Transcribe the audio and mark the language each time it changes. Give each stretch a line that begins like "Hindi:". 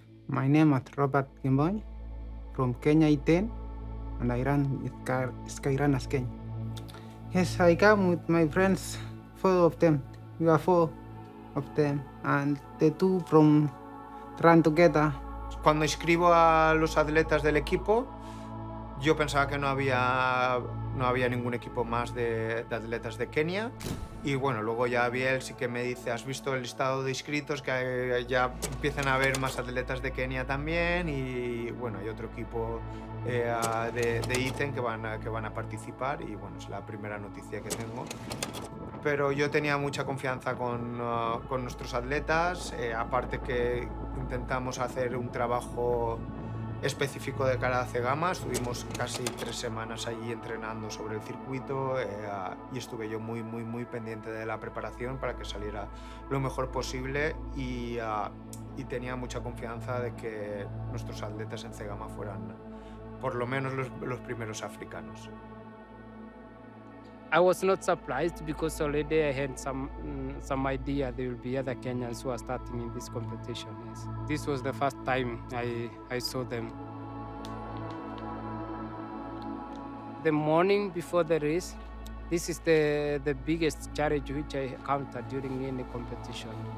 English: My name is Robert Kimboy from Kenya E10, and I run Skyrunners Kenya. Yes, I come with my friends four of them. We are four of them, and the two from run together.
Spanish: Cuando inscribo a los atletas del equipo, yo pensaba que no había ningún equipo más de atletas de Kenia. Y bueno, luego ya Biel sí que me dice, ¿has visto el listado de inscritos? Que ya empiezan a haber más atletas de Kenia también. Y bueno, hay otro equipo de Ethan que van a participar. Y bueno, es la primera noticia que tengo. Pero yo tenía mucha confianza con nuestros atletas. Aparte que intentamos hacer un trabajo específico de cara a Cegama. Estuvimos casi tres semanas allí entrenando sobre el circuito y estuve yo muy, muy, muy pendiente de la preparación para que saliera lo mejor posible y tenía mucha confianza de que nuestros atletas en Cegama fueran por lo menos los primeros africanos.
English: I was not surprised because already I had some idea there will be other Kenyans who are starting in this competition. Yes. This was the first time I saw them. The morning before the race, this is the biggest challenge which I encountered during any competition.